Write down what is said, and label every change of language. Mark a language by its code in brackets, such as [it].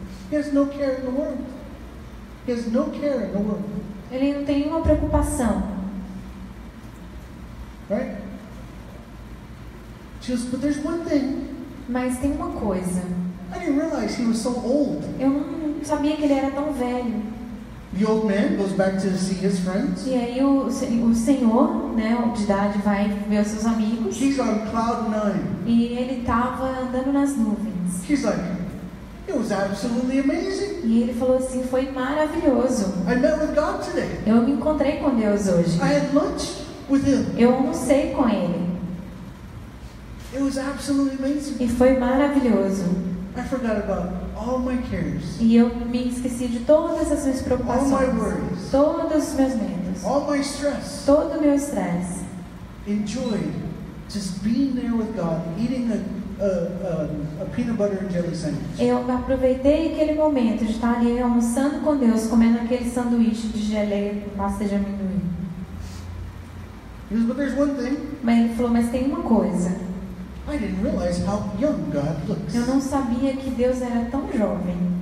[en] "He has no care in the world. He has no care in the world." [pt] Ele não tem nenhuma preocupação. [en] Right? She goes, "But there's one thing." [pt] Mas tem uma coisa. [en] "I didn't realize he was so old." [pt] Eu não sabia que ele era tão velho. [en] The old man goes back to see his friends. [pt] E aí o senhor, né, de idade, vai ver os seus amigos. [en] He's on cloud nine. [pt] E ele estava andando nas nuvens. [en] He's like, "It was absolutely amazing." [pt] E ele falou assim, foi maravilhoso. [en] "I met with God today." [pt] Eu me encontrei com Deus hoje. [en] "I had lunch with him." [pt] Eu almocei com ele. [en] "It was absolutely amazing." [pt] E foi maravilhoso. [en] "I forgot about all my cares." [pt] E eu me esqueci de todas as minhas preocupações. [en] "All my worries." [pt] Todos os meus medos. [en] "All my stress." [pt] Todo o meu estresse. [en] "Enjoy Just being there with God, eating a peanut butter and jelly sandwich. [pt] Eu aproveitei aquele momento de estar ali almoçando com Deus, comendo aquele sanduíche de geleia com pasta de amendoim. [en] He says, but there's one thing. [pt] Mas ele falou, mas tem uma coisa. [en] I didn't realize how young God looks. [pt] Eu não sabia que Deus era tão jovem.